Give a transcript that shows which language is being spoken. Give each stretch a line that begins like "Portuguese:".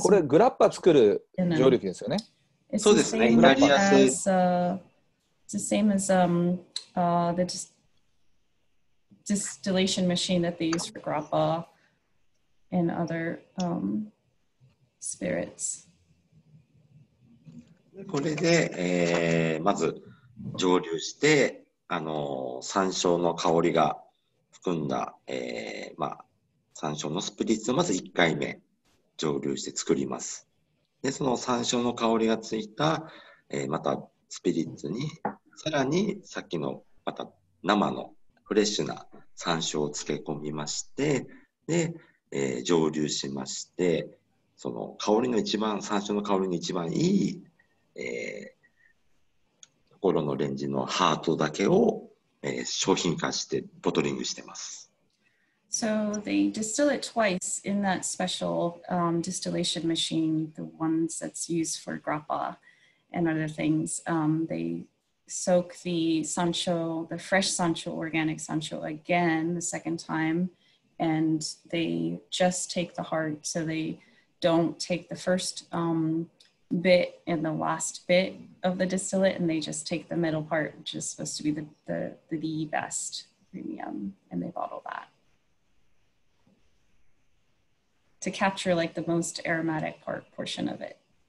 Japanese: これグラッパ作る蒸留機ですよね。そうですね。イタリア製。
English: It's the same as the distillation machine that they use for grappa and other spirits.
Japanese: これで、まず蒸留して、山椒の香りが含んだ、まあ山椒のスプリッツをまず1回目蒸留して作ります。で、その山椒の香りがついた、またスピリッツに、さらにさっきのまた生のフレッシュな山椒を漬け込みまして、で、蒸留しまして、その香りの一番、山椒の香りの一番いい、ところのレンジのハートだけを、商品化してボトリングしてます。
English: So they distill it twice in that special distillation machine, the ones that's used for grappa and other things. They soak the sancho, the fresh sancho, organic sancho again the second time, and they just take the heart, so they don't take the first bit and the last bit of the distillate, and they just take the middle part, which is supposed to be the best premium, and they bottle that to capture like the most aromatic portion of it.